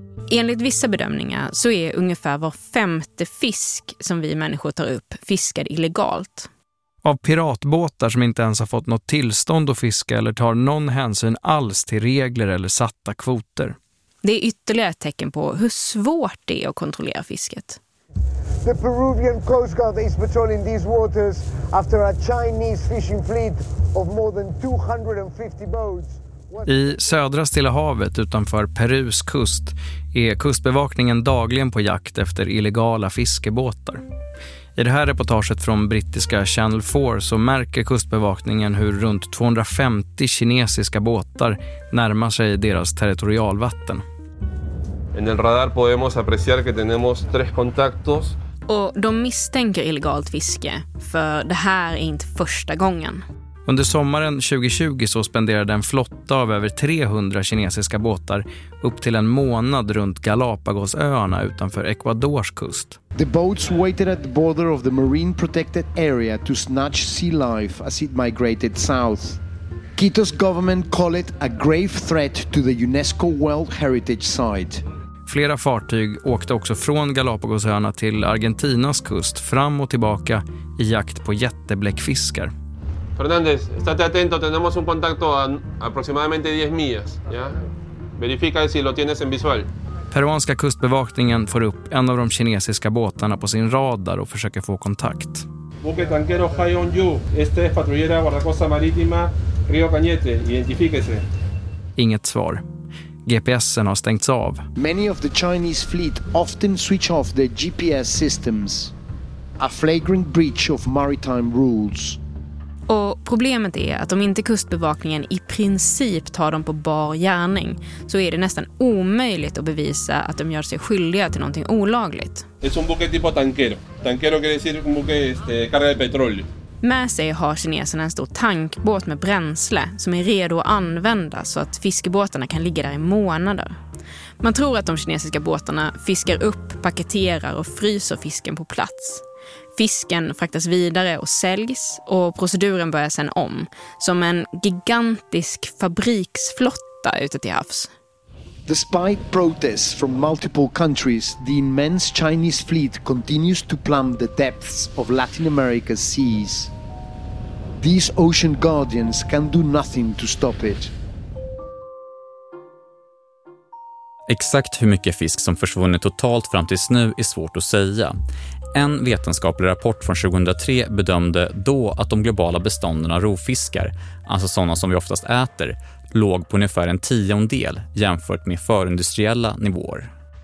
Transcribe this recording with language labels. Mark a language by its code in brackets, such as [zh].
[sv] Enligt vissa bedömningar så är ungefär var femte fisk som vi människor tar upp fiskad illegalt. Av piratbåtar som inte ens har fått något tillstånd att fiska eller tar någon hänsyn alls till regler eller satta kvoter. Det är ytterligare ett tecken på hur svårt det är att kontrollera fisket. [en] The Peruvian Coast Guard is patrolling these waters after a Chinese fishing fleet of more than 250 boats. [sv] I södra Stilla havet utanför Perus kust är kustbevakningen dagligen på jakt efter illegala fiskebåtar. I det här reportaget från brittiska Channel 4 så märker kustbevakningen hur runt 250 kinesiska båtar närmar sig deras territorialvatten. [es] En el radar podemos apreciar que tenemos tres contactos. [sv] Och de misstänker illegalt fiske, för det här är inte första gången. Under sommaren 2020 så spenderade en flotta av över 300 kinesiska båtar upp till en månad runt Galapagosöarna utanför Ecuadors kust. [en] The boats waited at the border of the marine protected area to snatch sea life as it migrated south. Quito's government call it a grave threat to the UNESCO World Heritage Site. [sv] Flera fartyg åkte också från Galapagosöarna till Argentinas kust fram och tillbaka i jakt på jättebläckfiskar. [es] Fernández, estate atento, tenemos un contacto a aproximadamente 10 millas, ¿ya? Verifica si lo tienes en visual. [sv] Peruanska kustbevakningen får upp en av de kinesiska båtarna på sin radar och försöker få kontakt. [es] Buque tanquero Haiyongyu, este es patrullera guardacosta marítima Río Cañete, identifíquese. [sv] Inget svar. GPSen har stängts av. [en] Many of the Chinese fleet often switch off their GPS systems. A flagrant breach of maritime rules. [sv] Och problemet är att om inte kustbevakningen i princip tar dem på bar gärning, så är det nästan omöjligt att bevisa att de gör sig skyldiga till någonting olagligt. [es] Es un buque tipo tanquero. Tanquero quiere decir un buque carga de petróleo. [sv] Med sig har kineserna en stor tankbåt med bränsle som är redo att använda så att fiskebåtarna kan ligga där i månader. Man tror att de kinesiska båtarna fiskar upp, paketerar och fryser fisken på plats. Fisken fraktas vidare och säljs och proceduren börjar sedan om som en gigantisk fabriksflotta ute till havs. [en] Despite protests from multiple countries, the immense Chinese fleet continues to plumb the depths of Latin America's seas. These ocean guardians can do nothing to stop it. [sv] Exakt hur mycket fisk som försvunnit totalt fram tills nu är svårt att säga. En vetenskaplig rapport från 2003 bedömde då att de globala bestånden av rovfiskar, alltså sådana som vi oftast äter, låg på ungefär en tiondel jämfört med förindustriella nivåer.